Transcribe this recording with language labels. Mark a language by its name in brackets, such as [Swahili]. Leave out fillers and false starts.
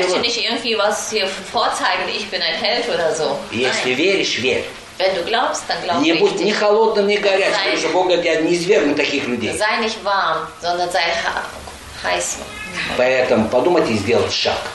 [German] Ich möchte nicht irgendwie was hier vorzeigen, ich bin ein Held oder so. [Russian] Если веришь, верь. [German] Wenn du glaubst, dann glaub [Russian] не будь ни холодным, ни горячим, потому что Бог говорит, я не извергну таких людей. [German] Sei nicht warm, sondern sei heiß. [Russian] Поэтому подумайте и сделайте шаг.